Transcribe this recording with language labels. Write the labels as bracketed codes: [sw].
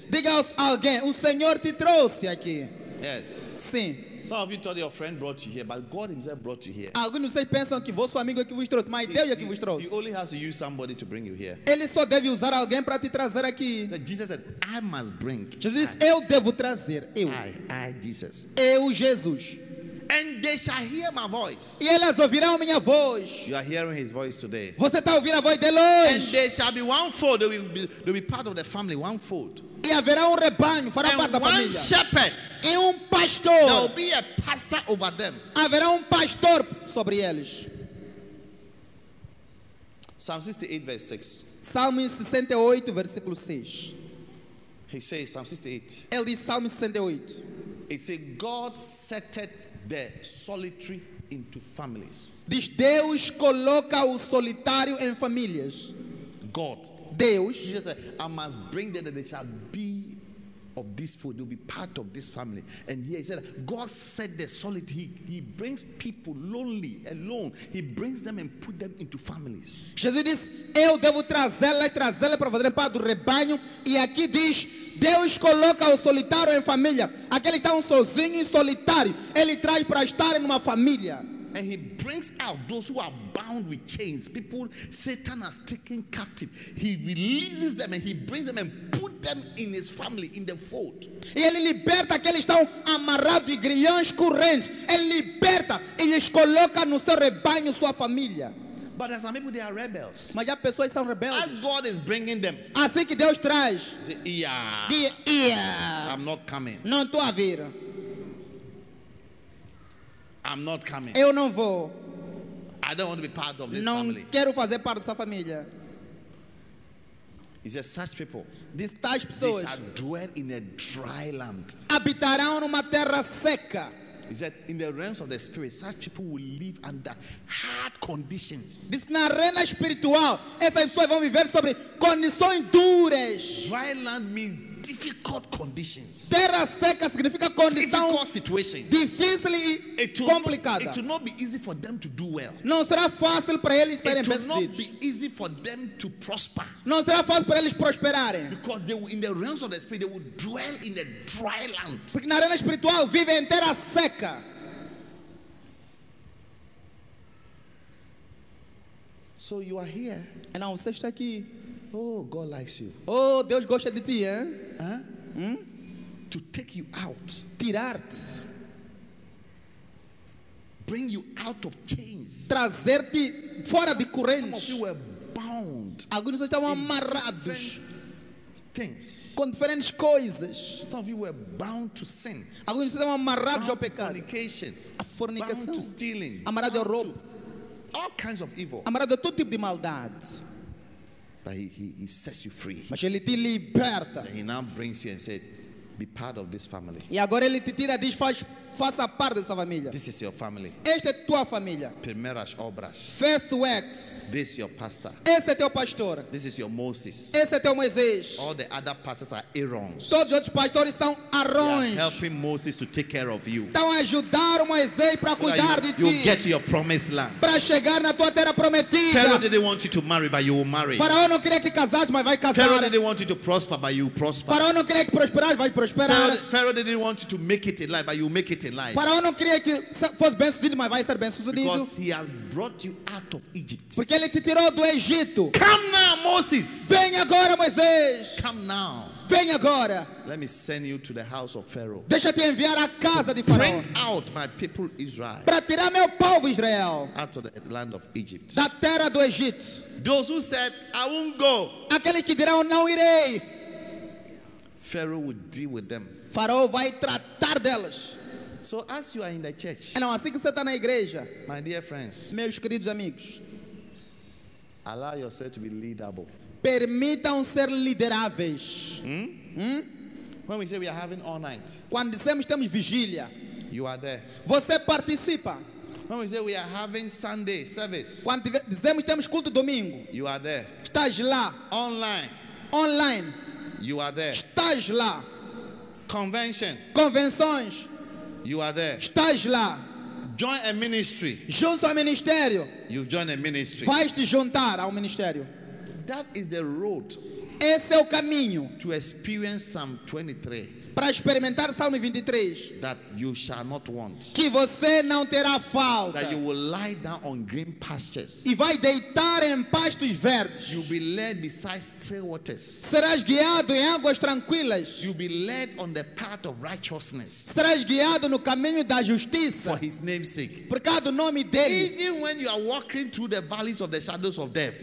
[pt] Diga alguém, o Senhor te trouxe aqui. [en] Yes. [pt] Sim. [en] Some of you thought your friend brought you here, but God Himself brought you here. [pt] Alguns de vocês pensam que vosso amigo é que vos trouxe, mas é Deus que vos trouxe. [en] He only has to use somebody to bring you here. [pt] Ele só deve usar alguém para te trazer aqui. [en] Jesus said, "I must bring." [pt] Jesus, eu devo trazer. Eu. [en] I, Jesus. [pt] Eu, Jesus. [en] And they shall hear my voice. [pt] E elas ouvirão minha voz. [en] You are hearing His voice today. [pt] Você está ouvindo a voz dele hoje. [en] And they shall be one fold. They will be part of the family. One fold. [pt] E haverá rebanho, fará parte da família. [en] And one shepherd. [pt] E pastor. [en] There will be a pastor over them. [pt] Haverá pastor sobre eles. [en] Psalm 68, verse 6. [pt] Salmo 68, versículo 6. [en] He says, Psalm 68. [pt] Ele diz, Salmo 68. [en] It says, God set the solitary into families. [pt] Diz, Deus coloca o solitário em famílias. [en] God. [pt] Deus. [en] He says, I must bring them that they shall be of this food, they'll be part of this family. And here he said, God set the solid, he brings people lonely, alone. He brings them and put them into families. [pt] Jesus disse, eu devo trazê-la para fazer parte do rebanho. E aqui diz, Deus coloca o solitário em família. Aquele está sozinho e solitário, ele traz para estar em uma família. [en] And he brings out those who are bound with chains. People Satan has taken captive. He releases them and he brings them and put them in his family, in the fold. [pt] E ele liberta aqueles que estão amarrados e grilhões correntes. Ele liberta e lhes coloca no seu rebanho, sua família. [en] But there are some people, they are rebels. [pt] Mas já pessoas são rebeldes. [en] As God is bringing them. [pt] Assim que Deus traz. [en] Say, yeah. I'm not coming. [pt] Não estou a vir. [en] I'm not coming. [pt] Eu não vou. [en] I don't want to be part of this [pt] não [en] family. [pt] Não quero fazer parte dessa família. [en] He says, such people. These [pt] tais pessoas. [en] They shall dwell in a dry land. [pt] Habitarão numa terra seca. [en] He said, in the realms of the spirit, such people will live under hard conditions. [pt] Diz, na arena espiritual, essas pessoas vão viver sobre condições duras. [en] Dry land means difficult conditions. [pt] Terra seca significa condição [en] difficult situations. [pt] Difícil e complicada. [en] It will not be easy for them to do well. [pt] Não será fácil para eles estarem bem. [en] It will not be easy for them to prosper. [pt] Não será fácil para eles prosperarem. [en] Because they will, in the realms of the spirit, they will dwell in a dry land. [pt] Porque na arena espiritual vive em terra seca. [en] So you are here. And now [pt] você está aqui. [en] Oh, God likes you. [pt] Oh, Deus gosta de ti, hein? Huh? Hmm? [en] To take you out. [pt] Tirar-te. [en] Bring you out of chains. [pt] Trazer-te fora de correntes. [en] Some of you were bound. [pt] Alguns estavam amarrados. [en] Things. [pt] Com diferentes coisas. [en] Some of you were bound to sin. [pt] Alguns estavam amarrados [en] bound [pt] ao pecado. [en] Fornication. [pt] A fornicação. [en] Bound to stealing. [pt] Amarrado ao roubo. [en] All kinds of evil. [pt] Amarrado a todo tipo de maldade. [en] But he sets you free. [pt] Mas ele te liberta. [en] And he now brings you and said, "Be part of this family." [pt] E agora ele te tira, diz, faça parte dessa família. [en] This is your family. [pt] Esta é tua família. Primeiras obras. [en] First works. This is your pastor. [pt] Esse é teu pastor. [en] This is your Moses. [pt] Esse é teu Moisés. [en] All the other pastors are Aarons. [pt] Todos os outros pastores são Aarons. [en] Helping Moses to take care of you. [pt] Estão a ajudar o Moisés para cuidar de ti. [en] You'll get to your promised land. [pt] Para chegar na tua terra prometida. [en] Pharaoh didn't want you to marry, but you will marry. [pt] Faraó não queria que casasse, mas vai casar. [en] Pharaoh didn't want you to prosper, but you will prosper. [pt] Faraó não queria que prosperasse, vai prosperar. [en] Pharaoh didn't want you to make it in life, but you make it in life. [pt] Faraó não queria que fosse bem-sucedido, mas vai ser bem-sucedido. [en] Because he has brought you out of Egypt. [pt] Ele te tirou do Egito. [en] Come now, Moses. [pt] Vem agora, Moisés. [en] Come now. [pt] Vem agora. [en] Let me send you to the house of Pharaoh. [pt] Deixa te enviar à casa de Faraó. [en] Bring out my people Israel. [pt] Para tirar meu povo Israel. [en] Out of the land of Egypt. [pt] Da terra do Egito. [en] Those who said, I won't go. [pt] Aquele que dirá, eu não irei. [en] Pharaoh would deal with them. [pt] Faraó vai tratar deles. [en] So as you are in the church. [pt] Não, assim que você está na igreja. [en] My dear friends. [pt] Meus queridos amigos. [en] Allow yourself to be leadable. [pt] Permitam ser lideráveis. [en] When we say we are having all night. [pt] Quando dissemos temos vigília. [en] You are there. [pt] Você participa. [en] When we say we are having Sunday service. [pt] Quando dissemos temos culto domingo. [en] You are there. [pt] Estás lá. [en] Online. [pt] online. [en] You are there. [pt] Estás lá. [en] Convention. [pt] Convenções. [en] You are there. [pt] Estás lá. [en] Join a ministry. [pt] Junte ao ministério. [en] You join a ministry. [pt] Vais te juntar ao ministério. [en] That is the road. [pt] Esse é o caminho. [en] To experience Psalm 23. [pt] Para experimentar Salmo 23. [en] That you shall not want. [pt] Que você não terá falta. [en] That you will lie down on green pastures. [pt] E vai deitar em pastos verdes. [en] You'll be led beside still waters. [pt] Serás guiado em águas tranquilas. [en] You'll be led on the path of righteousness. [pt] Serás guiado no caminho da justiça. [en] For his name's sake. [pt] Por causa do nome dele. [en] Even when you are walking through the valleys of the shadows of death.